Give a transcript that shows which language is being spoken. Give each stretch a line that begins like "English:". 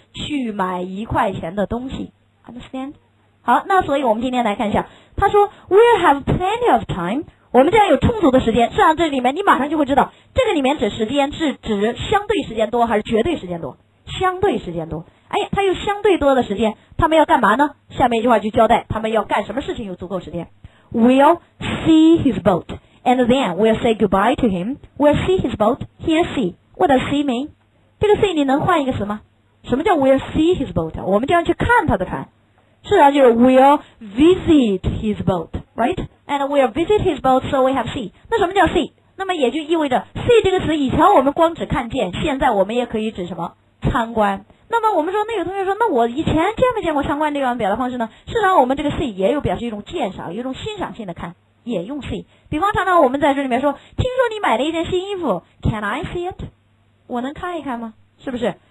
Chinese: 去买一块钱的东西。 Understand? 好，那所以我们今天来看一下，他说 We'll have plenty of time. 我们这样有充足的时间，实际上这里面你马上就会知道，这个里面指时间是指相对时间多还是绝对时间多？相对时间多。哎，他有相对多的时间，他们要干嘛呢？下面一句话就交代他们要干什么事情有足够时间。
English: We'll see his boat, and then we'll say goodbye to him. We'll see his boat. Here, see. What does see mean? 这个 see 你能换一个词吗？
Chinese: 什么叫 we'll see his boat? 我们这样去看他的船。事实上就是 we'll visit his boat, right?
English: And we'll visit his boat, so we have see.
Chinese: 那什么叫 see? 那么也就意味着 see 这个词以前我们光只看见，现在我们也可以指什么？参观。那么我们说，那有同学说，那我以前见没见过参观这样表达方式呢？事实上我们这个 see 也有表示一种鉴赏，一种欣赏性的看，也用 see。比方常常我们在这里面说，听说你买了一件新衣服， Can I see it? 我能看一看吗？是不是？